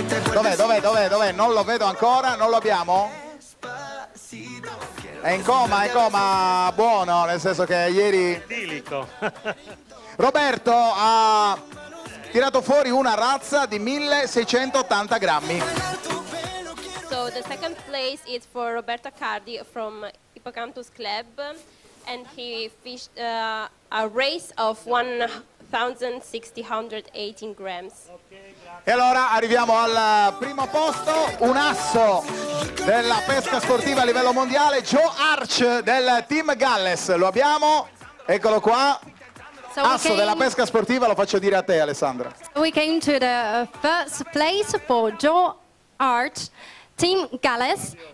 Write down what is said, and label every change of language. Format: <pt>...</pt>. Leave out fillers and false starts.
<it>Dov'è? Non lo vedo ancora, non lo abbiamo? È in coma, buono, nel senso che ieri... Roberto ha tirato fuori una razza di 1680 grammi.</it> <en>So the second place is for Roberto Cardi from Hippocampus Club, and he fished a race of 1680 grammi.</en> <it>E allora arriviamo al primo posto, un asso della pesca sportiva a livello mondiale, Joe Arch del Team Galles. Lo abbiamo, eccolo qua.</it> <en>So asso came,</en> <it>della pesca sportiva, lo faccio dire a te, Alessandra.</it> <en>So we came to the first place for Joe Arch, Team Galles.</en>